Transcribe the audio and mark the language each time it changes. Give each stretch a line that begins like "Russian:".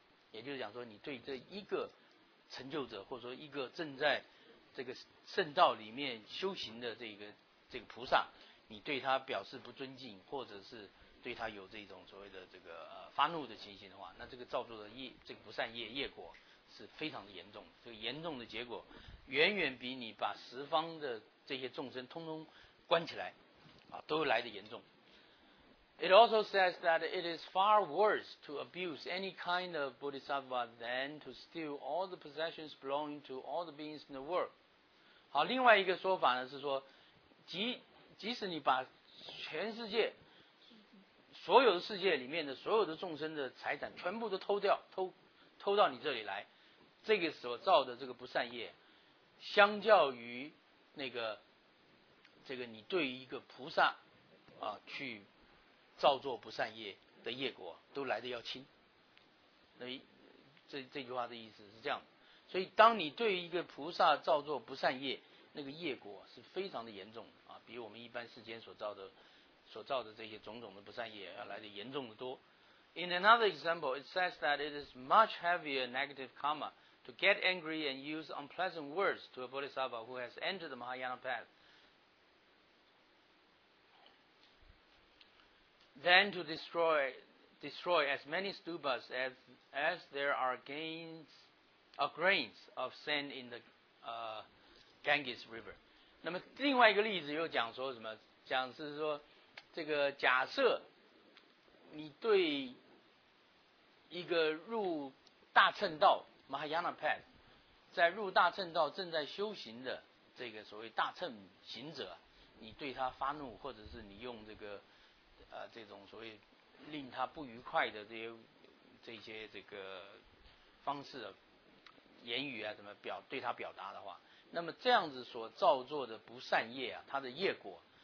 Chinese: 也就是讲说，你对这一个成就者，或者说一个正在这个圣道里面修行的这个菩萨，你对他表示不尊敬，或者是对他有这种所谓的这个发怒的情形的话，那这个造作的业，这个不善业果。是非常的严重，这个严重的结果远远比你把十方的这些众生通通关起来啊，都来得严重。
English: It also says that it is far worse to abuse any kind of bodhisattva than to steal all the possessions belonging to all the beings in the world.
Chinese: 好，另外一个说法呢是说，即使你把全世界所有的世界里面的所有的众生的财产全部都偷掉，偷到你这里来，这个所造的这个不善业，相较于那个这个你对于一个菩萨啊去造作不善业的业果都来得要轻。那这句话的意思是这样的，所以当你对于一个菩萨造作不善业，那个业果是非常的严重的啊，比我们一般世间所造的这些种种的不善业要来得严重的多。
English: In another example, it says that it is much heavier negative karma to get angry and use unpleasant words to a bodhisattva who has entered the Mahayana path than to destroy as many stupas as there are grains of sand in the Ganges River.
Chinese: 那么另外一个例子又讲说什么？讲是说这个假设你对一个入大乘道 Mahayana path 在入大乘道正在修行的这个所谓大乘行者，你对他发怒，或者是你用这个这种所谓令他不愉快的这些这个方式、言语啊，怎么表对他表达的话，那么这样子所造作的不善业啊，他的业果